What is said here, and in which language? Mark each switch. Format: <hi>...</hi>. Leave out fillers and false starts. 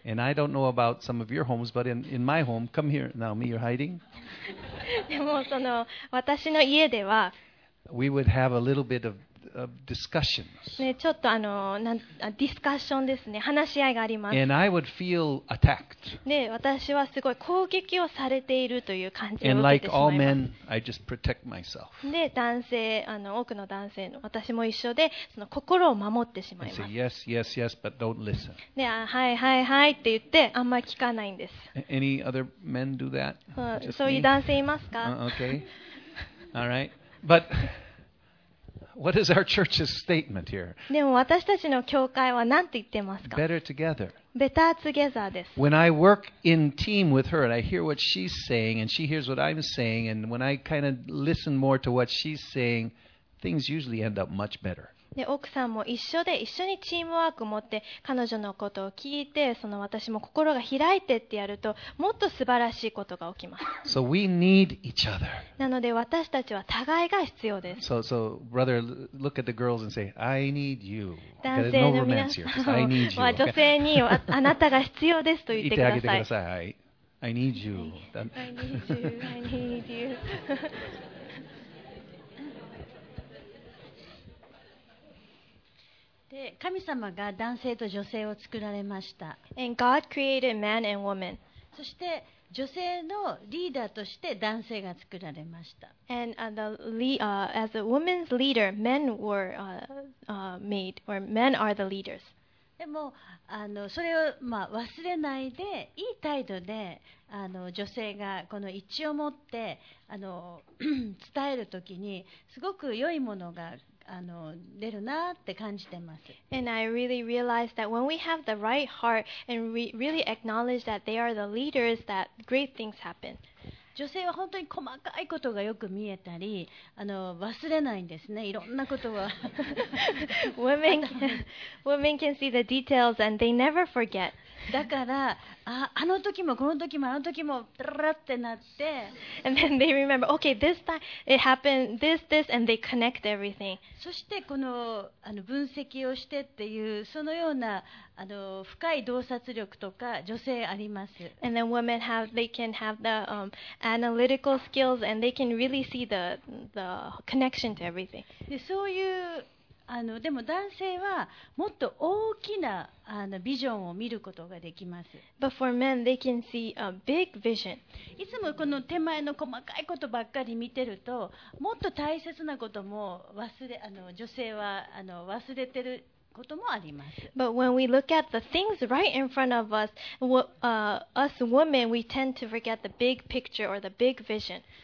<en>And I don't know about some of your homes, but in my home, come here now, me, you're hiding.</en> <ja>でもその私の家では、</ja> <en>we would have a little bit of discussions.</en> <ja>ね、ちょっとディスカッションですね、話し合いがあります。</ja> <en>And I would feel attacked.</en> <ja>で、私はすごい攻撃をされているという感じを受けてしまいます。</ja> <en>And like all men, I just protect myself.</en> <ja>で、男性、多くの男性の私も一緒で、その心を守ってしまいます。</ja> <en>I say yes, yes, yes, but don't listen.</en> <ja>で、はいはいはいって言って、あんまり聞かないんです。</ja> <en>Any other men do that?</en> <ja>そういう男性いますか？</ja> <en>Okay. All right. But... What is our church's statement here?</en> <ja>でも私たちの教会は何て言ってますか? Better together. Better together です。</ja> <en>When I work in team with her and I hear what she's saying and she hears what I'm saying and when I kind of listen more to what she's saying, things usually end up much better.</en> <ja>で、奥さんも一緒で一緒にチームワークを持って彼女のことを聞いてその私も心が開いてってやるともっと素晴らしいことが起きます。</ja> <en>So we need each other.</en> <ja>なので私たちは互いが必要です。</ja> <en>So brother, look at the girls and say, I need you.</en> <ja>男性の皆さん、は女性にあなたが必要ですと言ってください。言ってあげてください。はい。</ja> <en>I need you. I need you.</en> <ja>で、神様が男性と女性を作られました。</ja> <en>And God created man and woman.</en> <ja>そして女性のリーダーとして男性が作られました。</ja> <en>And as a woman's leader, men were made, or men are the leaders.</en> <ja>でもそれを、忘れないでいい態度で女性がこの一致を持って伝えるときにすごく良いものが出るなって感じてます。</ja> <en>And I really realized that when we have the right heart and we really acknowledge that they are the leaders, that great things happen.</en> <ja>女性は本当に細かいことがよく見えたり、忘れないんですね。いろんなことは。</ja> <en>women can see the details and they never forget.</en> <ja>だから、の時もこの時もあの時もドラってなって、</ja> <en>and then they remember, okay, this time it happened, this, and they connect everything.</en> <ja>そしてこの分析をしてっていうそのような深い洞察力とか女性あります。</ja> <en>And then women have, they can have the analytical skills and they can really see the connection to everything.</en> <ja>でそういうでも男性はもっと大きなビジョンを見ることができます。</ja> <en>But for men, they can see a big vision.</en> <ja>いつもこの手前の細かいことばっかり見てると、もっと大切なことも女性は忘れてることもあります。</ja> <en>But when we look at the things right in front of us, us women, we tend to forget the big picture or the big vision.</en>